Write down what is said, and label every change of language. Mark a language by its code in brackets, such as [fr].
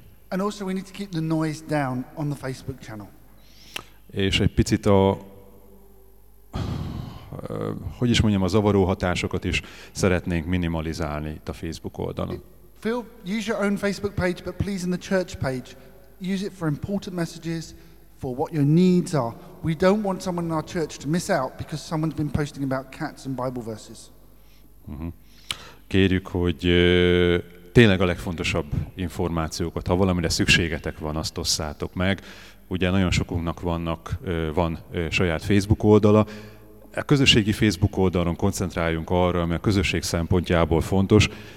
[en] And also we need to keep the noise down on the Facebook channel. [hu] És egy picit a hogy is mondjam, a zavaró hatásokat is szeretnénk minimalizálni itt a Facebook oldalon. [en] Use your own Facebook page, but please in the church page, use it for important messages, for what your needs are. We don't want someone in our church to miss out because someone's been posting about cats and Bible verses. [hu] Kérjük, hogy tényleg a legfontosabb információkat, ha valamire szükségetek van, azt osszátok meg. Ugye nagyon sokunknak van saját Facebook oldala. A közösségi Facebook oldalon koncentráljunk arra, ami a közösség szempontjából fontos.